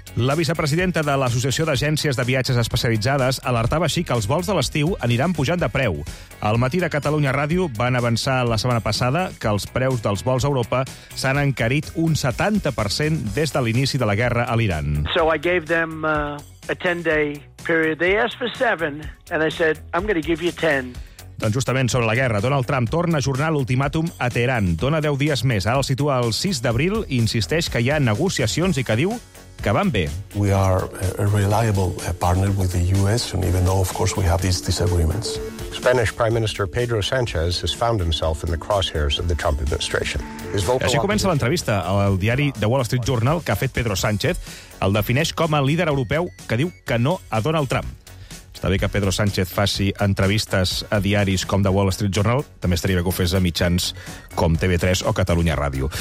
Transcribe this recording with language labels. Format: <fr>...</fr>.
<ca>La vicepresidenta de l'Associació d'Agències de Viatges Especialitzades alertava així que els vols de l'estiu aniran pujant de preu. Al matí de Catalunya Ràdio van avançar la setmana passada que els preus dels vols a Europa s'han encarit un 70% des de l'inici de la guerra a l'Iran.</ca> <en>So I gave them a 10-day period. They asked for 7 and I said, I'm going to give you 10.</en> <ca>Doncs justament sobre la guerra, Donald Trump torna a ajornar l'ultimàtum a Teheran. Dona 10 dies més. Ara el situa el 6 d'abril i insisteix que hi ha negociacions i que diu que van bé.</ca> <en>We are a reliable partner with the US, and even though, of course, we have these disagreements. Spanish Prime Minister Pedro Sánchez has found himself in the crosshairs of the Trump administration.</en> <ca>Així comença l'entrevista al diari The Wall Street Journal que ha fet Pedro Sánchez. El defineix com a líder europeu que diu que no a Donald Trump. Està bé que Pedro Sánchez faci entrevistes a diaris com The Wall Street Journal, també estaria bé que ho fes a mitjans com TV3 o Catalunya Ràdio.</ca>